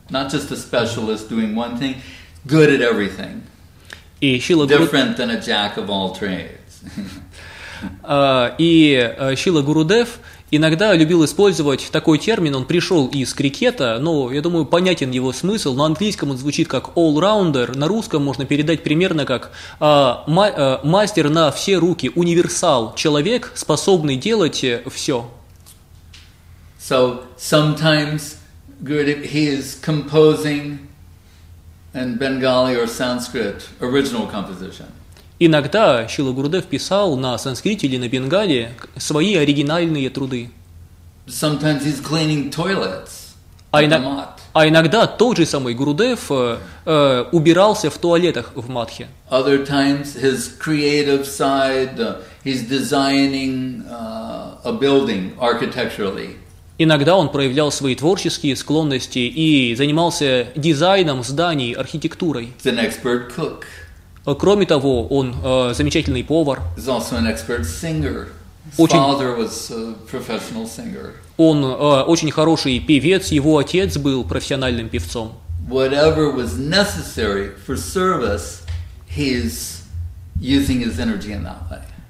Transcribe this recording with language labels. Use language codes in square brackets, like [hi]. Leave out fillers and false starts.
[en] Not just a specialist doing one thing, good at everything. Different than a jack of all trades. [ru] И Шрила Гурудев иногда любил использовать такой термин. Он пришел из крикета, но я думаю, понятен его смысл. На английском он звучит как all-rounder. На русском можно передать примерно как мастер на все руки, универсал, человек, способный делать все. [en] So sometimes Gurudev, he is composing in Bengali or Sanskrit original composition. [ru] Иногда Шрила Гурудев писал на санскрите или на бенгали свои оригинальные труды. [en] Sometimes he's cleaning toilets. [ru] А иногда тот же самый Гурудев убирался в туалетах в Матхе. [en] Other times his creative side, he's designing a building architecturally. [ru] Иногда он проявлял свои творческие склонности и занимался дизайном зданий, архитектурой. [en] An expert cook. [ru] Кроме того, он замечательный повар. [en] He's also an expert singer. His father was a professional singer. [ru] Он очень хороший певец, его отец был профессиональным певцом. [en] Whatever was necessary for service, he's using his energy in that way.